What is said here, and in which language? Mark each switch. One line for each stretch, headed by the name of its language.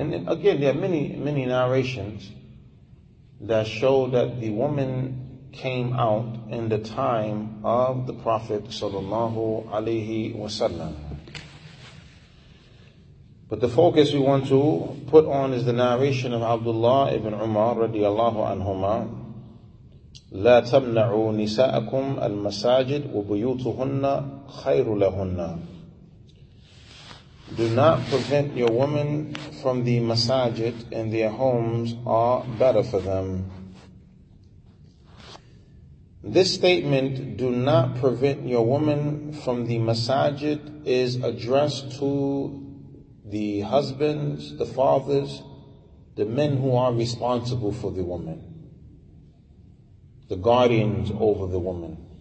English: And again, there are many, many narrations that show that the woman came out in the time of the Prophet sallallahu alaihi wasallam. But the focus we want to put on is the narration of Abdullah ibn Umar radiallahu anhuma.
Arabic: لا تمنعوا نساءكم المساجد وبيوتهن خير لهن.
English: Do not prevent your women from the masajid, and their homes are better for them. This statement, do not prevent your women from the masajid, is addressed to the husbands, the fathers, the men who are responsible for the woman, the guardians over the woman.